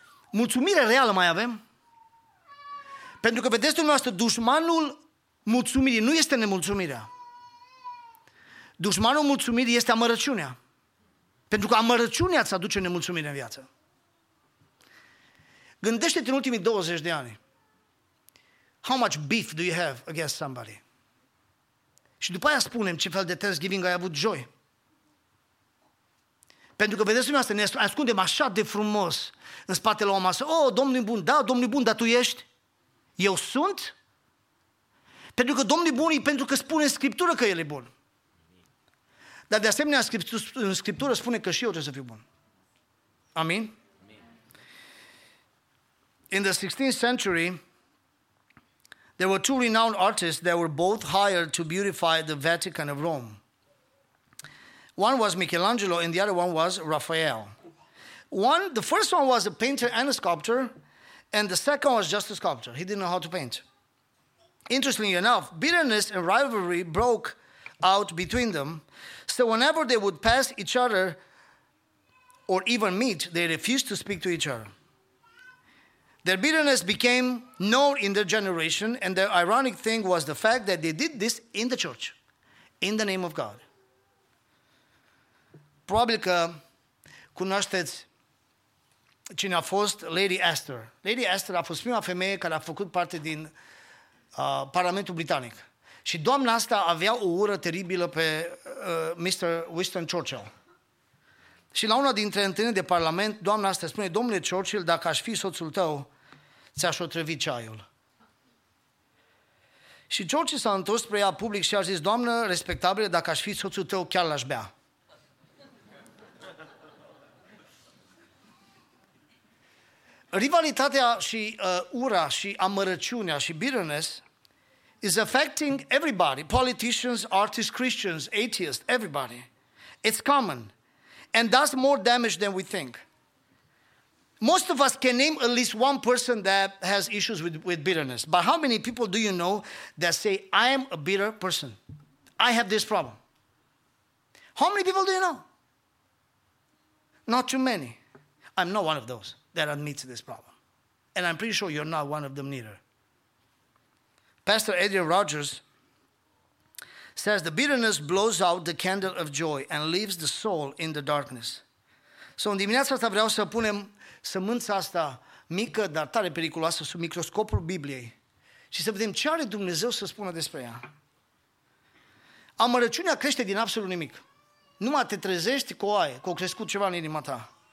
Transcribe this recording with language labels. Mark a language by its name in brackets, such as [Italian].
[Romanian] Mulțumire reală mai avem? Pentru că vedeți dumneavoastră, dușmanul mulțumirii nu este nemulțumirea. Dușmanul mulțumirii este amărăciunea. Pentru că amărăciunea îți aduce nemulțumire în viață. Gândește-te în ultimii 20 de ani. [English] How much beef do you have against somebody? [Romanian] Și după aia spunem ce fel de Thanksgiving ai avut joi. Pentru că vedeți dumneavoastră, ne ascundem așa de frumos în spatele o masă. Oh, Domnul e bun, da, Domnul e bun, dar tu ești? Eu sunt? Pentru că Domnul e bun, pentru că spune în Scriptură că El e bun. Dar de asemenea, în Scriptură spune că și eu trebuie să fiu bun. Amin? [English] In the 16th century, there were two renowned artists that were both hired to beautify the Vatican of Rome. One was Michelangelo and the other one was Raphael. The first one was a painter and a sculptor, and the second was just a sculptor. He didn't know how to paint. Interestingly enough, bitterness and rivalry broke out between them. So whenever they would pass each other or even meet, they refused to speak to each other. Their bitterness became known in their generation, and the ironic thing was the fact that they did this in the church, in the name of God. [Romanian] Probabil că cunoașteți cine a fost Lady Astor. Lady Astor a fost prima femeie care a făcut parte din Parlamentul Britanic. Și doamna asta avea o ură teribilă pe Mr. Winston Churchill. Și la una dintre întâlniri de Parlament, doamna asta spune: domnule Churchill, dacă aș fi soțul tău, ți-aș otrăvi ceaiul. Și Churchill s-a întors spre ea public și a zis: doamnă respectabilă, dacă aș fi soțul tău, chiar l-aș bea. Rivalitatea și ura și amărăciunea și [English] bitterness is affecting everybody, politicians, artists, Christians, atheists, everybody. It's common and does more damage than we think. Most of us can name at least one person that has issues with bitterness. But how many people do you know that say, I am a bitter person? I have this problem. How many people do you know? Not too many. I'm not one of those that admits this problem. And I'm pretty sure you're not one of them neither. Pastor Adrian Rogers says, the bitterness blows out the candle of joy and leaves the soul in the darkness. [Romanian] So în dimineața asta vreau să punem sămânța asta mică, dar tare periculoasă, sub microscopul Bibliei și să vedem ce are Dumnezeu să spună despre ea. Amărăciunea crește din absolut nimic. Numai te trezești cu oaie, că a crescut ceva în inima ta.